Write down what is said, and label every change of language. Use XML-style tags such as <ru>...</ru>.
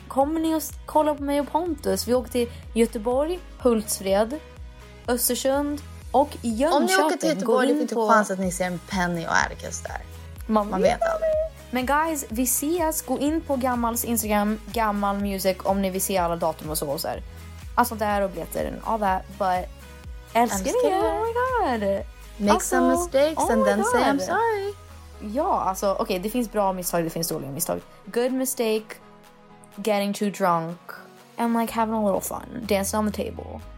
<sv>Kommer ni att kolla på mig och Pontus? Vi åker till Göteborg, Hultsfred, Östersund och Jönköping. Om ni åker till Göteborg, det finns chans att ni ser en Penny och Atticus där. Man vet aldrig. Men guys, vi ses. Gå in på Gammals Instagram, Gammal Music, om ni vill se alla datum och så. Alltså där och biljetter</sv> <en>and all that. But,</en> <sv>älskar ni.</sv> <en>Oh my god! Make some mistakes and then say I'm sorry.</en> <sv>Ja, alltså, okej, det finns bra misstag, det finns dåliga misstag.</sv> <en>Good mistake, getting too drunk, and like having a little fun, dancing on the table.</en>